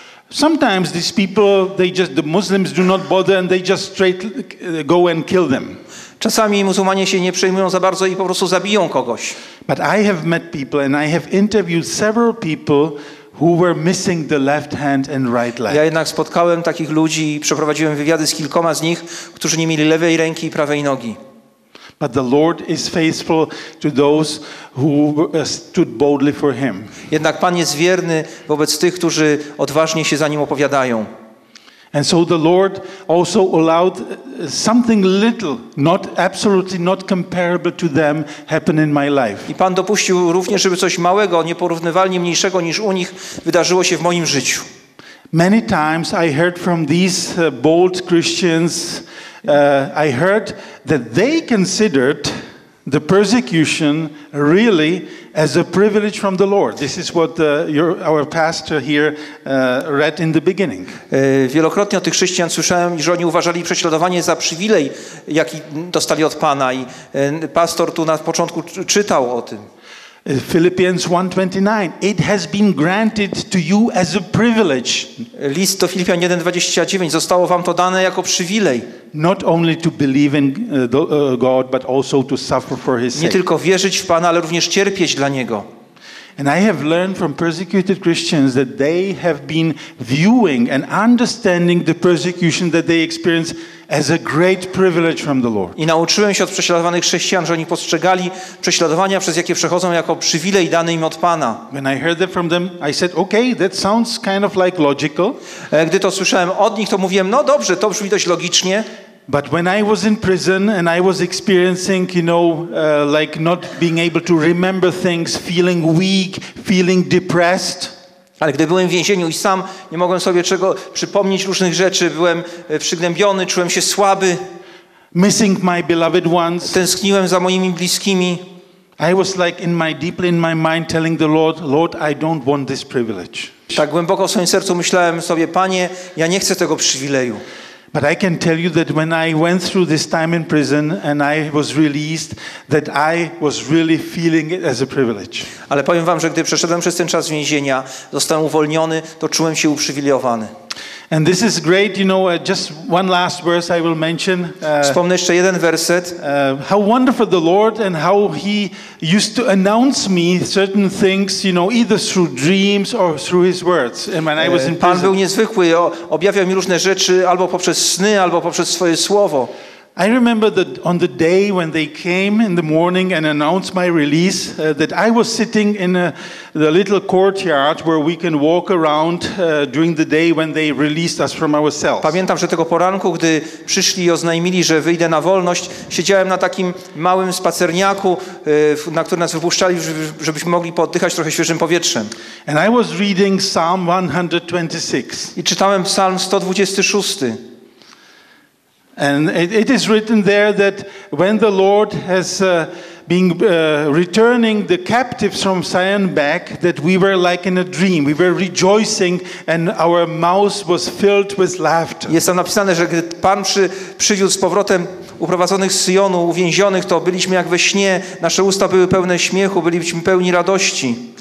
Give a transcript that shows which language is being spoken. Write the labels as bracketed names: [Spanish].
[English] Sometimes these people, the Muslims do not bother and they just straight go and kill them. [Polish] Czasami muzułmanie się nie przejmują za bardzo i po prostu zabiją kogoś. [English] But I have met people and I have interviewed several people who were missing the left hand and right leg. [Polish] Ja jednak spotkałem takich ludzi i przeprowadziłem wywiady z kilkoma z nich, którzy nie mieli lewej ręki i prawej nogi. [English] But the Lord is faithful to those who stood boldly for him. [Polish] Jednak Pan jest wierny wobec tych, którzy odważnie się za nim opowiadają. [English] And so the Lord also allowed something little, not absolutely not comparable to them, happen in my life. [Polish] I Pan dopuścił również, żeby coś małego, nieporównywalnie mniejszego niż u nich, wydarzyło się w moim życiu. [English] Many times I heard from these bold Christians, I heard that they considered the persecution really as a privilege from the Lord. This is what our pastor here read in the beginning. [Polish] Wielokrotnie od tych chrześcijan słyszałem, że oni uważali prześladowanie za przywilej, jaki dostali od Pana. I pastor tu na początku czytał o tym. [English] Philippians 1:29. It has been granted to you as a privilege. [Polish] List do Filipian 1:29. Zostało wam to dane jako przywilej. [English] Not only to believe in God, but also to suffer for his sake. [Polish] Nie tylko wierzyć w Pana, ale również cierpieć dla niego. [English] And I have learned from persecuted Christians that they have been viewing and understanding the persecution that they experience as a great privilege from the Lord. [Polish] I nauczyłem się od prześladowanych chrześcijan, że oni postrzegali prześladowania, przez jakie przechodzą, jako przywilej dany im od Pana. [English] When I heard that from them, I said, okay, that sounds kind of like logical. [Polish] Gdy to słyszałem od nich, to mówiłem, no dobrze, to brzmi dość logicznie. [English] But when I was in prison and I was experiencing, you know, like not being able to remember things, feeling weak, feeling depressed. [Polish] Ale gdy byłem w więzieniu i sam nie mogłem sobie czego przypomnieć różnych rzeczy, byłem przygnębiony, czułem się słaby. [English] Missing my beloved ones. [Polish] Tęskniłem za moimi bliskimi. [English] I was like in my deeply in my mind telling the Lord, Lord, I don't want this privilege. [Polish] Tak głęboko w swoim sercu myślałem sobie, Panie, ja nie chcę tego przywileju. [English] But I can tell you that when I went through this time in prison and I was released, that I was really feeling it as a privilege. [Polish] Ale powiem wam, że gdy przeszedłem przez ten czas więzienia, zostałem uwolniony, to czułem się uprzywilejowany. [English] And this is great, you know, just one last verse I will mention. [Polish] Wspomnę jeszcze jeden werset. [English] How wonderful the Lord and how he used to announce me certain things, you know, either through dreams or through his words. And when I was in prison. [Polish] Pan był niezwykły, objawiał mi różne rzeczy albo poprzez sny, albo poprzez swoje słowo. [English] I remember that on the day when they came in the morning and announced my release, that I was sitting in the little courtyard where we can walk around during the day when they released us from our cells. [Polish] Pamiętam, że tego poranku, gdy przyszli i oznajmili, że wyjdę na wolność, siedziałem na takim małym spacerniaku, na który nas wypuszczali, żebyśmy mogli poddychać trochę świeżym powietrzem. [English] And I was reading Psalm 126. [Polish] I czytałem Psalm 126. [English] And it is written there that when the Lord has been returning the captives from Zion back, that we were like in a dream. We were rejoicing and our mouth was filled with laughter. [Polish] Jest tam napisane, że gdy Pan przywiódł z powrotem uprowadzonych z Syjonu, uwięzionych, to byliśmy jak we śnie, nasze usta były pełne śmiechu, byliśmy pełni radości.